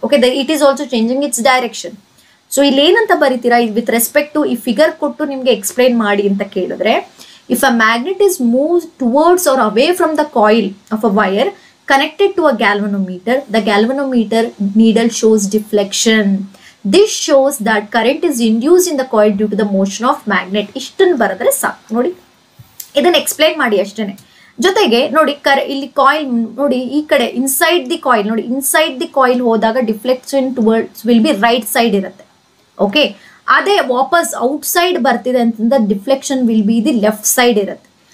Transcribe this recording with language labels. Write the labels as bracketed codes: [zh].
[en] Okay, the it is also changing its direction. [kn] So ಇಲ್ಲಿ ಏನಂತ ಬರೀತೀರಾ [en] with respect to ಈ figure [kn] ಕೊಟ್ಟು ನಿಮಗೆ ಎಕ್ಸ್ಪ್ಲೇನ್ ಮಾಡಿ ಅಂತ ಕೇಳಿದ್ರೆ, [en] If a magnet is move towards or away from the coil of a wire connected to a galvanometer, the galvanometer needle shows deflection. This shows that current is induced in the coil due to the motion of magnet. [kn] ಇಷ್ಟನ್ನು ಬರೆದ್ರೆ ಸಾಕು ನೋಡಿ, ಇದನ್ನು explain ಮಾಡಿ ಅಷ್ಟೇ. ಜೊತೆಗೆ ನೋಡಿ ಇಲ್ಲಿ ಕಾಯಿಲ್ ನೋಡಿ, ಈ ಕಡೆ [en] inside the coil [kn] ನೋಡಿ, ಇನ್ಸೈಡ್ ದಿ ಕಾಯಿಲ್ ಹೋದಾಗ [en] deflection towards will be right side [kn] ಇರುತ್ತೆ. ಓಕೆ, ಅದೇ ವಾಪಸ್ ಔಟ್ ಸೈಡ್ ಬರ್ತಿದೆ ಅಂತಂದ್ರೆ [en] deflection will be the left side [kn] ಇರುತ್ತೆ.